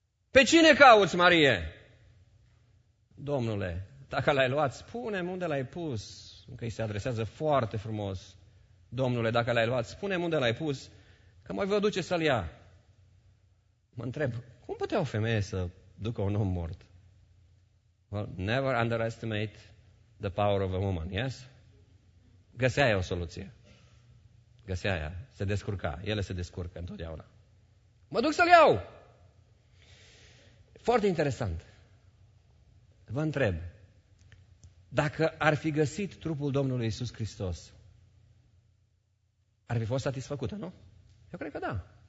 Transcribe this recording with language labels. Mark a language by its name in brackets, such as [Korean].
[Romanian] Pe cine cauți, Marie? Domnule, dacă l-ai luat, spune-mi unde l-ai pus, că îi se adresează foarte frumos. Domnule, dacă l-ai luat, spune-mi unde l-ai pus, că mai vă duce să-l ia. Mă întreb, cum putea o femeie să ducă un om mort? [English] Well, never underestimate the power of a woman, yes? [Romanian] Găsea ea o soluție. Găsea ea, se descurca, ele se descurcă întotdeauna. Mă duc să-l iau! Foarte interesant. Vă întreb, dacă ar fi găsit trupul Domnului Iisus Hristos, ar fi fost satisfăcută, nu? Eu cred că da.